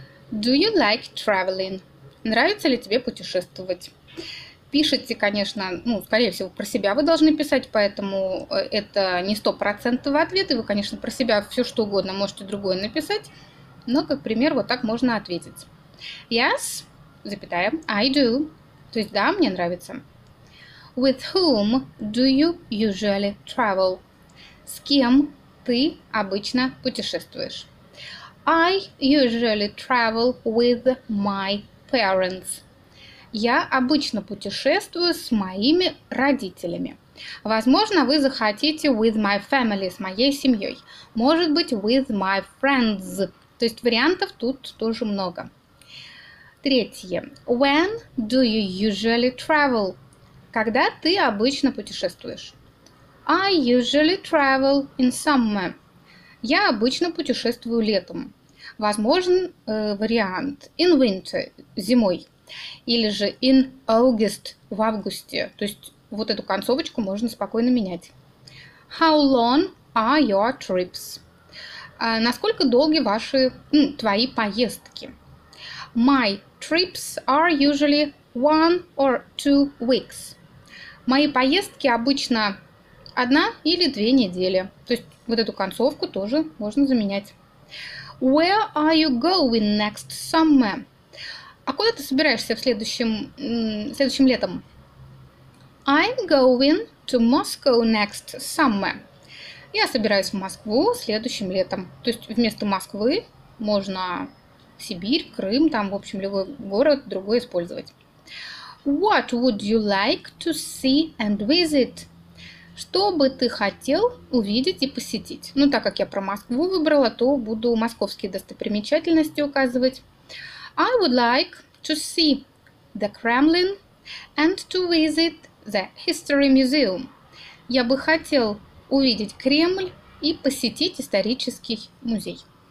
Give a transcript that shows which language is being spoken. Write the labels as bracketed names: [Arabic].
[English] Do you like traveling? [Russian] Нравится ли тебе путешествовать? Пишите, конечно, ну, скорее всего, про себя вы должны писать, поэтому это не 100% ответ, и вы, конечно, про себя все что угодно можете другое написать, но, как пример, вот так можно ответить. [English] Yes, [Russian] запятая, [English] I do. [Russian] То есть, да, мне нравится. [English] With whom do you usually travel? [Russian] С кем ты обычно путешествуешь? [English] I usually travel with my parents. [Russian] Я обычно путешествую с моими родителями. Возможно, вы захотите [English] with my family, [Russian] с моей семьей. Может быть, [English] with my friends. [Russian] То есть вариантов тут тоже много. Третье. [English] When do you usually travel? [Russian] Когда ты обычно путешествуешь? [English] I usually travel in summer. [Russian] Я обычно путешествую летом. Возможен вариант [English] in winter, [Russian] зимой. Или же [English] in August, [Russian] в августе. То есть вот эту концовочку можно спокойно менять. [English] How long are your trips? [Russian] Насколько долги ваши, твои поездки? [English] My trips are usually 1 or 2 weeks. [Russian] Мои поездки обычно 1 или 2 недели. То есть вот эту концовку тоже можно заменять. [English] Where are you going next summer? [Russian] А куда ты собираешься в следующем летом? [English] I'm going to Moscow next summer. [Russian] Я собираюсь в Москву следующим летом. То есть вместо Москвы можно Сибирь, Крым, там, в общем, любой город другой использовать. [English] What would you like to see and visit? [Russian] Что бы ты хотел увидеть и посетить? Ну, так как я про Москву выбрала, то буду московские достопримечательности указывать. [English] I would like to see the Kremlin and to visit the History Museum. [Russian] Я бы хотел увидеть Кремль и посетить исторический музей.